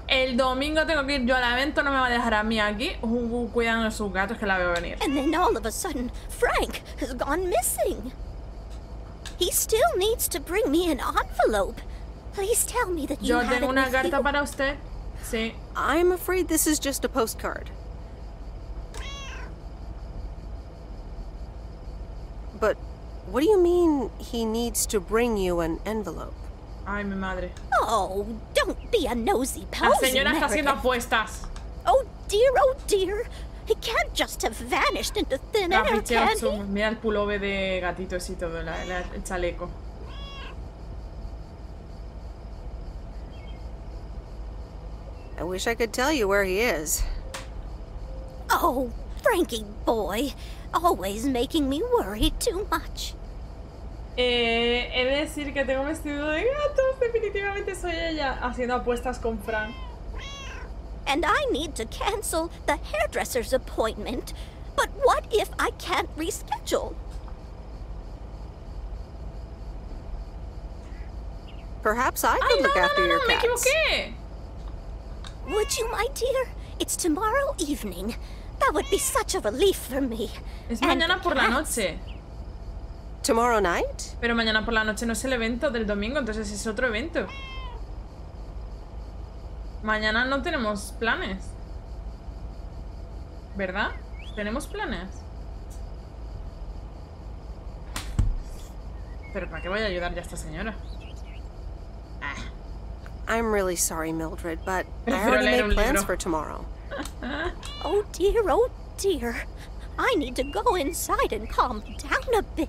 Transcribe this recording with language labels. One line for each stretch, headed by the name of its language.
Spanish: El domingo tengo que ir yo al evento, no me va a dejar a mí aquí. Cuidando a sus gatos que la veo venir.
English: And then all of a sudden, Frank has gone missing. He still needs to bring me an envelope. Please tell me that you
Spanish: yo tengo una carta
English: you.
Spanish: Para usted. Sí.
English: I'm afraid this is just a postcard. But what do you mean he needs to bring you an envelope?
Spanish: Ay, mi madre.
English: Oh, don't be a nosy posy.
Spanish: La señora está haciendo apuestas.
English: Oh dear, He can't just have vanished into thin air, can he?
Spanish: Mira el pullover de gatitos y todo, el chaleco.
English: I wish I could tell you where he is. Oh, Frankie boy. Always making me worry too much.
Spanish: He de decir que tengo vestido de gato. Definitivamente soy ella haciendo apuestas con Frank.
English: And I need to cancel the hairdresser's appointment. But what if I can't reschedule? Perhaps I could look after your cats.
Spanish: Me equivoqué.
English: Would you, my dear? It's tomorrow evening. That would be such a relief for me.
Spanish: Es mañana por la noche.
English: Tomorrow night?
Spanish: Pero mañana por la noche no es el evento del domingo, entonces es otro evento. Mañana no tenemos planes. ¿Verdad? Tenemos planes. Pero ¿para qué voy a ayudar ya a esta señora?
English: I'm really sorry, Mildred, but I already made plans for tomorrow. Oh dear, oh dear. I need to go inside and calm down a bit.